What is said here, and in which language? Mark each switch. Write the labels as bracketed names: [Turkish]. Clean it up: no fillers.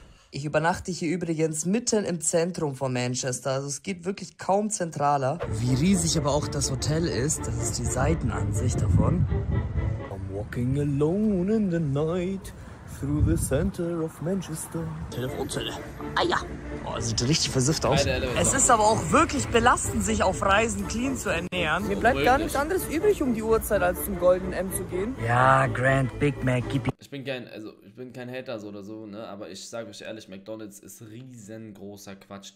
[German] Ich übernachte hier übrigens mitten im Zentrum von Manchester. Also es geht wirklich kaum zentraler. Wie riesig aber auch das Hotel ist, das ist die Seitenansicht davon. [English] I'm walking alone in the night through the center of Manchester. [German] Telefonzelle. Ah ja. Oh, sieht richtig versifft aus. Es ist aber auch wirklich belastend, sich auf Reisen clean zu ernähren. Mir bleibt gar nichts anderes übrig, um die Uhrzeit als zum Golden M zu gehen. Ja, Grand Big Mac, gib ihm. Ich bin kein Hater so oder so, ne? Aber ich sage euch ehrlich, McDonald's ist riesengroßer Quatsch.